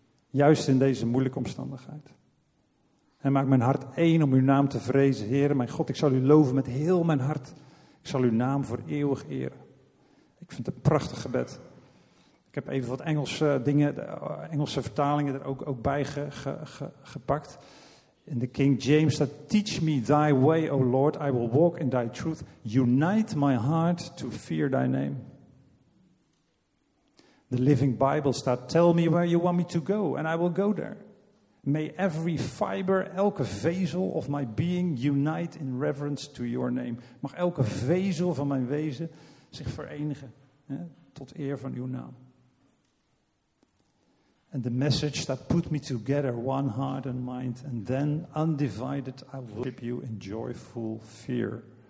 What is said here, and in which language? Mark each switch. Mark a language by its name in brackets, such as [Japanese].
[Dutch] Juist in deze moeilijke omstandigheid. En maak mijn hart één om uw naam te vrezen. Heere, mijn God, ik zal u loven met heel mijn hart. Ik zal uw naam voor eeuwig eren. Ik vind het een prachtig gebed. Ik heb even wat Engelse dingen, Engelse vertalingen er ook bij gepakt. [English] In de King James staat, teach me thy way, O Lord, I will walk in thy truth. Unite my heart to fear thy name. The Living Bible staat, tell me where you want me to go, and I will go there. May every fiber, elke vezel of my being unite in reverence to your name. [Dutch] Mag elke vezel van mijn wezen zich verenigen, tot eer van uw naam. [English] And the message that put me together, one heart and mind, and then undivided, I will worship you in joyful fear.